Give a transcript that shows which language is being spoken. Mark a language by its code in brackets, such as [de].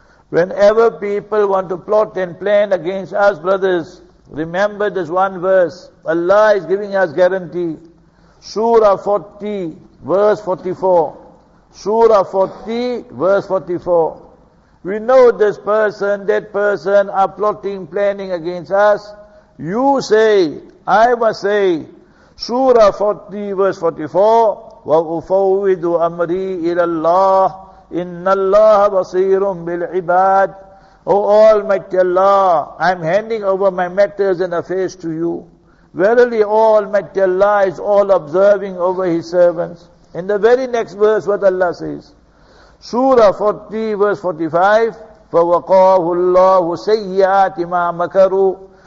[en] Whenever people want to plot and plan against us, brothers, remember this one verse. Allah is giving us guarantee. Surah 40, verse 44. Surah 40, verse 44. We know this person, that person are plotting, planning against us. You say, I must say, Surah 40, verse 44, [ar] وَأُفَوِّدُ أَمْرِي إِلَى اللَّهِ إِنَّ اللَّهَ بَصِيرٌ بِالْعِبَادِ. [en] O Almighty Allah, I'm handing over my matters and affairs to you. Verily, Almighty Allah is all observing over his servants. In the very next verse, what Allah says, Surah 40, verse 45, [ar] فَوَقَاهُ اللَّهُ سَيِّئَاتِ مَا مَكَرُوا.